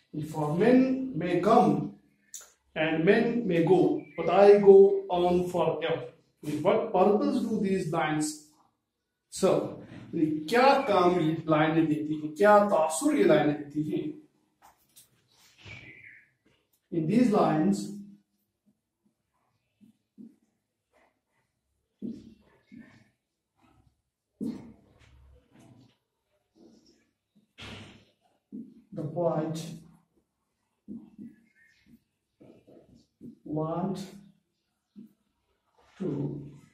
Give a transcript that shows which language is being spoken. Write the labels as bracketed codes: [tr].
[en] For men may come and men may go, but I go on forever. With what purpose do these lines serve? [hi] क्या काम ये लाइने देती हैं? क्या तासुर ये लाइने देती हैं? [en] In these lines, the poet want to